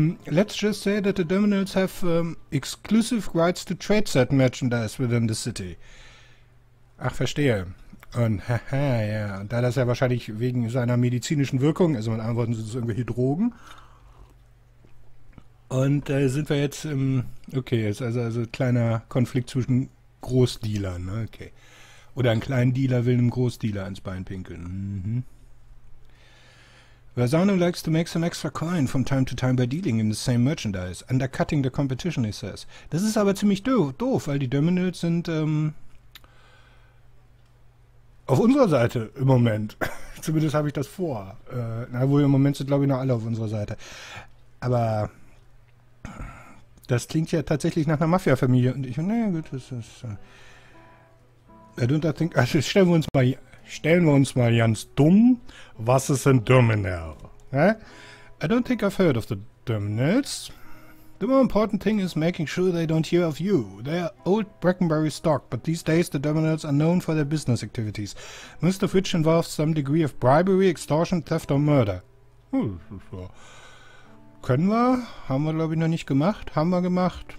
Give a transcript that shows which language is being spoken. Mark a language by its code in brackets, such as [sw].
[en] let's just say that the terminals have exclusive rights to trade certain merchandise within the city. [de] Ach, verstehe. Und haha, ja. Und da das ja wahrscheinlich wegen seiner medizinischen Wirkung, also mit anderen Worten sind es irgendwelche Drogen. Und sind wir jetzt im. Okay, ist also kleiner Konflikt zwischen Großdealern, ne? Okay. Oder ein kleiner Dealer will einem Großdealer ans Bein pinkeln. [en] Vasano likes to make some extra coin from time to time by dealing in the same merchandise, undercutting the competition, he says. [de] Das ist aber ziemlich doof, weil die Dominals sind auf unserer Seite im Moment. Zumindest habe ich das vor. Wohl im Moment sind, glaube ich, noch alle auf unserer Seite. Aber das klingt ja tatsächlich nach einer Mafia-Familie. Und ich, nee, gut, das ist... Stellen wir uns mal ganz dumm, was ist ein Terminal? [en] I don't think I've heard of the Terminals. The more important thing is making sure they don't hear of you. They are old Brackenbury stock, but these days the Terminals are known for their business activities. Most of which involves some degree of bribery, extortion, theft or murder. [de] Können wir? Haben wir, glaube ich, noch nicht gemacht. Haben wir gemacht.